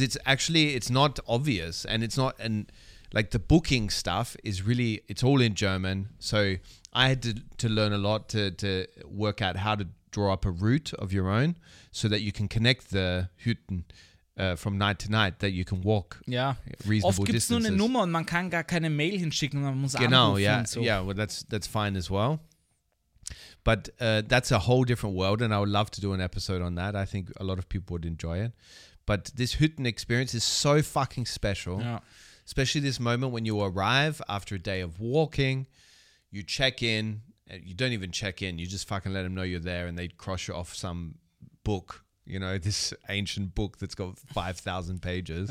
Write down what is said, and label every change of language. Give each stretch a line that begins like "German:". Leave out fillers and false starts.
English: it's actually, it's not obvious and it's not... and. Like the booking stuff is really, it's all in German. So I had to learn a lot to work out how to draw up a route of your own so that you can connect the Hütten from night to night, that you can walk reasonable distances.
German: Oft gibt's nur eine Nummer und man kann gar keine Mail hinschicken, man muss anrufen. Genau, yeah, und so.
English: Yeah, well that's fine as well. But that's a whole different world and I would love to do an episode on that. I think a lot of people would enjoy it. But this Hütten experience is so fucking special. Yeah. Especially this moment when you arrive after a day of walking, you check in, you don't even check in, you just fucking let them know you're there and they cross you off some book, you know, this ancient book that's got 5,000 pages.